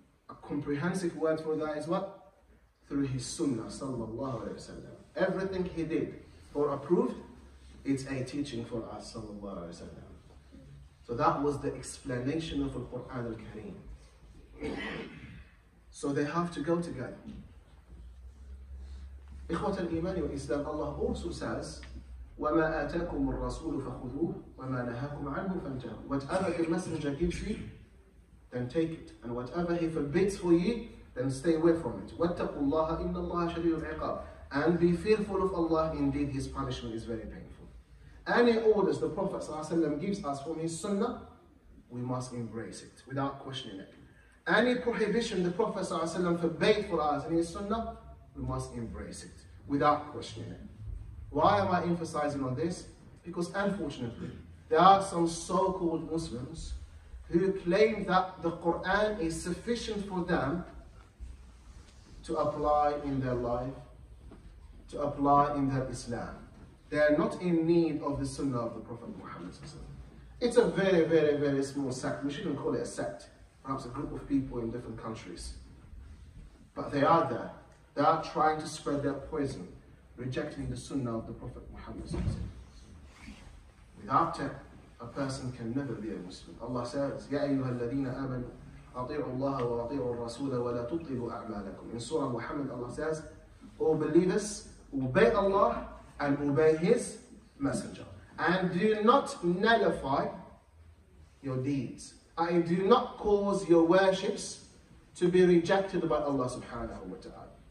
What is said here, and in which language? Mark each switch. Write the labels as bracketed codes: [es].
[en] A comprehensive word for that is what? Through his sunnah sallallahu alaihi wasallam. Everything he did or approved, it's a teaching for us sallallahu alaihi wasallam. So that was the explanation of Al-Qur'an al-Kareem. So they have to go together. [ar] Ikhwat al-Iman wa Islam, [en] Allah also says, [ar] وَمَا آتَاكُمُ الرَّسُولُ فَخُذُوهُ وَمَا نَهَاكُمْ عَنْهُ فَانْتَهُوا. [en] Whatever the messenger gives you, then take it. And whatever he forbids for you, then stay away from it. [ar] وَاتَّقُوا اللَّهَ إِنَّ اللَّهَ شَدِيدُ الْعِقَابِ. [en] And be fearful of Allah, indeed his punishment is very painful. any orders the Prophet gives us from his Sunnah, we must embrace it without questioning it. Any prohibition the Prophet forbade for us in his Sunnah, we must embrace it without questioning it. Why am I emphasizing on this? Because unfortunately, there are some so-called Muslims who claim that the Quran is sufficient for them to apply in their life, to apply in their Islam. They are not in need of the Sunnah of the Prophet Muhammad. It's a very, very, very small sect. We shouldn't call it a sect. Perhaps a group of people in different countries. But they are there. They are trying to spread their poison, rejecting the Sunnah of the Prophet Muhammad. Without it, a person can never be a Muslim. Allah says, [ar] يَا أَيُّهَا الَّذِينَ آمَنُوا أَطِيعُوا اللَّهَ وَأَطِيعُوا الرَّسُولَ وَلَا تُطِيعُوا أَعْمَالَكُمْ. [en] In Surah Muhammad, Allah says, O believers, obey Allah and obey His Messenger. And do not nullify your deeds. And do not cause your worships to be rejected by Allah subhanahu wa ta'ala.